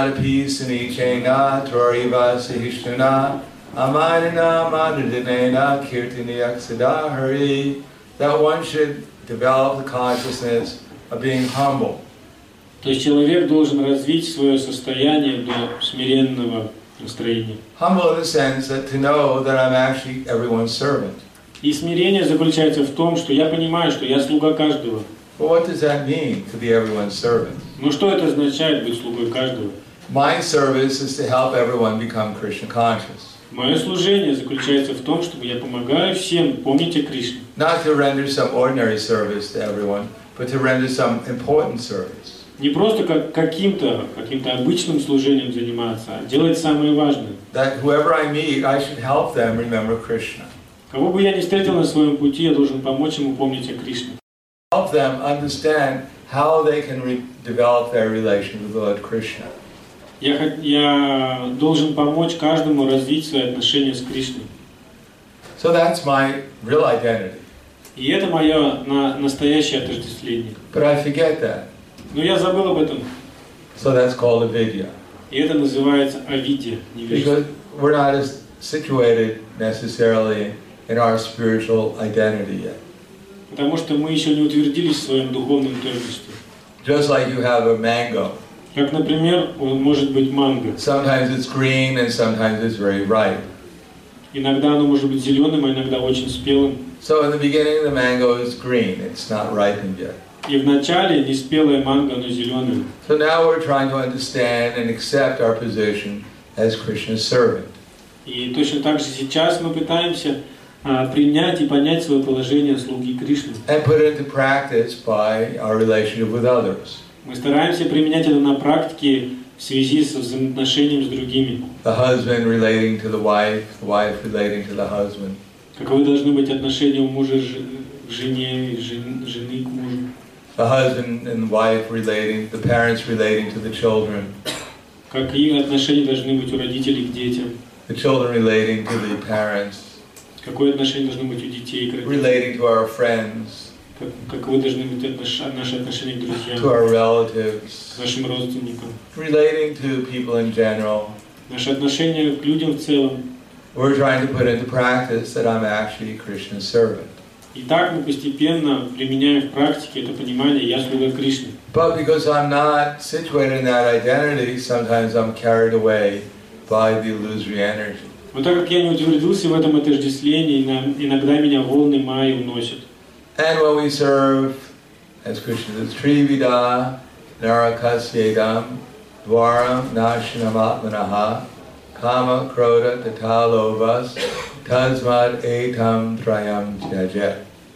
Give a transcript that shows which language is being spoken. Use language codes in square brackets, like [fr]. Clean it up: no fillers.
[sa] Trinadapisani-chena-tvarivasa-hishnana Amadina Madhidana Kirtini Aksidahari, [en] that one should develop the consciousness of being humble. [ru] То есть человек должен развить свое состояние до смиренного настроения. [en] Humble in the sense that to know that I'm actually everyone's servant. [ru] И смирение заключается в том, что я понимаю, что я слуга каждого. [en] But what does that mean to be everyone's servant? [ru] Ну что это означает быть слугой каждого? [en] My service is to help everyone become Krishna conscious. [ru] Мое служение заключается в том, чтобы я помогаю всем помнить о Кришне. [en] Not to render some ordinary service to everyone, but to render some important service. [ru] Не просто как каким-то обычным служением заниматься, а делать самое важное. [en] That whoever I meet, I should help them remember Krishna. [ru] Кого бы я ни встретил на своем пути, я должен помочь ему помнить о Кришне. [en] Help them understand how they can develop their relationship with Lord Krishna. [ru] Я должен помочь каждому развить свои отношения с Кришной. [en] So that's my real identity. [ru] И это мое настоящее отождествление. [en] But I forget that. [ru] Но я забыл об этом. [en] So that's called avidya. [ru] И это называется авидья, невежество. [en] Because we're not as situated necessarily in our spiritual identity yet. [ru] Потому что мы еще не утвердились в своем духовном тождестве. [en] Just like you have a mango. [ru] Как, например, может быть манго. [en] Sometimes it's green and sometimes it's very ripe. [ru] Иногда оно может быть зеленым, а иногда очень спелым. [en] So in the beginning the mango is green, it's not ripened yet. [ru] И вначале неспелое манго, оно зеленое. [en] So now we're trying to understand and accept our position as Krishna's servant. [ru] И точно так же сейчас мы пытаемся принять и понять свое положение слуги Кришны. [en] And put it into practice by our relationship with others. [ru] Мы стараемся применять это на практике в связи со взаимоотношениями с другими. [en] The husband relating to the wife relating to the husband. [ru] Каковы должны быть отношения у мужа к жене и жены к мужу? [en] The husband and wife relating, the parents relating to the children. [ru] Какие отношения должны быть у родителей к детям? [en] The children relating to the parents. [ru] Какое отношение должно быть у детей к родителям? [en] Relating to our friends. [ru] Каковы должны быть наши отношения к друзьям, [en] to our relatives, [ru] к нашим родственникам, [en] relating to people in general. [ru] Наши отношения к людям в целом. [en] We're trying to put into practice that I'm actually Krishna's servant. [ru] И так мы постепенно применяем в практике это понимание, я слуга Кришны. [en] But because I'm not situated in that identity, sometimes I'm carried away by the illusory energy. [ru] Но так как я не утвердился в этом отождествлении, иногда меня волны майи уносят. [en] And when we serve as Krishna, [sa] Trivida, Narakasyedam, Dwaram, Nashinam Atmanaha, Kama, Krodha, Tatalovas, Tasmad, Etam, Trayam, Jajet.